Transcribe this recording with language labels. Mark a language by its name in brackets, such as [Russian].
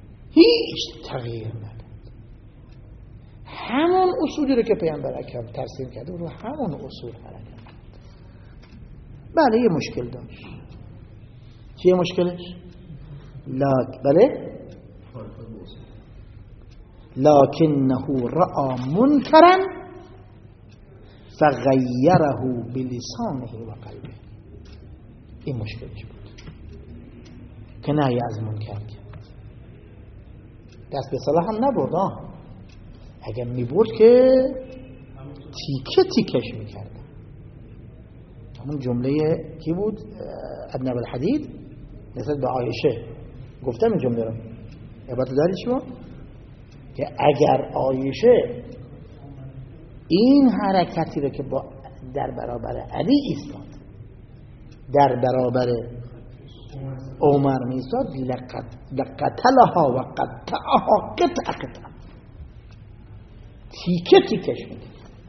[Persian] هیچ تغییر نداد، همون اصولی رو که پیامبر اکرم ترسیم کرد و همون اصول حرکت. بله یه مشکل داشت، چیه مشکلش؟ لا بله [Arabic] لكنه رأى منكرا فغيره بلسانه وقلبه. [Persian] این مشکلش بود که نهی از منکر دست به صلاح هم نبرد. اگر می برد که تیکه تیکش می کرد. همون جمله کی بود؟ ابن ابی الحدید نسبت به عایشه گفتم این جمله رو عبارت داری شما؟ که اگر عایشه این حرکتی رو که با در برابر علی ایستاد در برابر عمر میستاد [Arabic] لقتلها و قطعها قطع قطع [Persian] تیکه تیکش میده.